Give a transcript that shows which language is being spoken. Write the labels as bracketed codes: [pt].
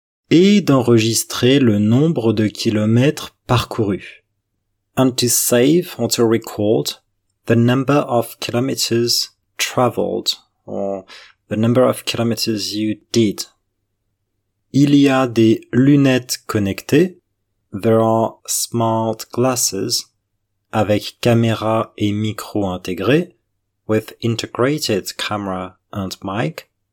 [fr] Et d'enregistrer le nombre de kilomètres parcourus. [en] And to save or to record the number of kilometers traveled, or the number of kilometers you did. [fr] Il y a des lunettes connectées. [en] There are smart glasses [fr] avec caméra et micro intégrés, [en] with integrated camera and mic.